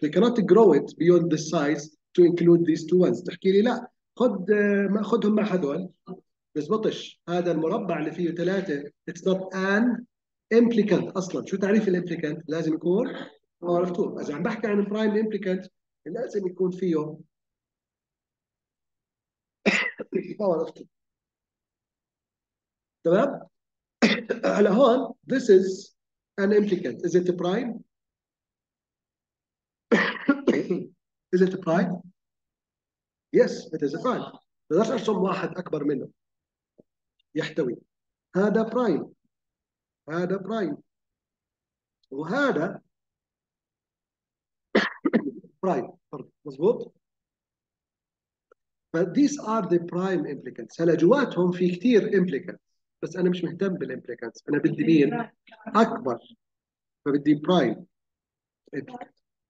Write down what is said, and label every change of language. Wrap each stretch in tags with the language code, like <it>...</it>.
<en>We cannot grow it beyond this size to include these two ones.</en> <ar>تحكي لي لا، خذهم مع هذول، بزبطش. هذا المربع اللي فيه ثلاثة</ar> <en>it's not an implicant</en> <ar>اصلا. شو تعريف الامبليكانت؟ لازم يكون باور اوف 2. اذا عم بحكي عن برايم امبليكانت لازم يكون فيه باور اوف 2، تمام. على هون</ar> <en>this is an implicant. Is it a prime? Is it a prime? Yes, it is a prime.</en> <ar>بقدرش ارسم واحد اكبر منه يحتوي، هذا برايم، هذا برايم، وهذا برايم، مظبوط.</ar> <en>But these are the prime implicants.</en> <ar>هلا جواتهم في كثير implicants، بس أنا مش مهتم بالimplicants، أنا بدي مين؟ أكبر، فبدي برايم implicants.</ar>